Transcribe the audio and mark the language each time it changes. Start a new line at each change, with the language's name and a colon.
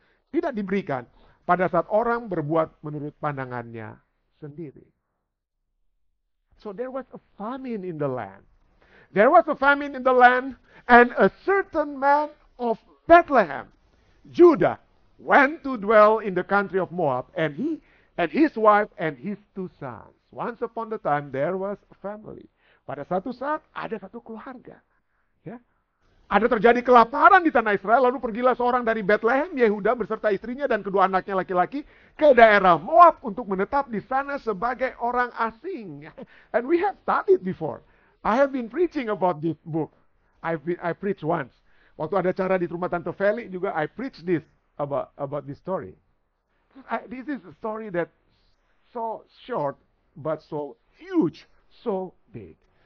Indonesian: Tidak diberikan pada saat orang berbuat menurut pandangannya sendiri.
English: So there was a famine in the land. There was a famine in the land, and a certain man of Bethlehem, Judah, went to dwell in the country of Moab, and he and his wife and his two sons. Once upon a time, there was a family.
Indonesian: Pada satu saat, ada satu keluarga. Ada terjadi kelaparan di tanah Israel, lalu pergilah seorang dari Bethlehem, Yehuda, berserta istrinya dan kedua anaknya laki-laki ke daerah Moab untuk menetap di sana sebagai orang asing.
English: And we have studied before. I have been preaching about this book. I preached once.
Indonesian: Waktu ada acara di rumah Tante Feli juga,
English: I preached this about this story. This is a story that so short, but so huge, so big.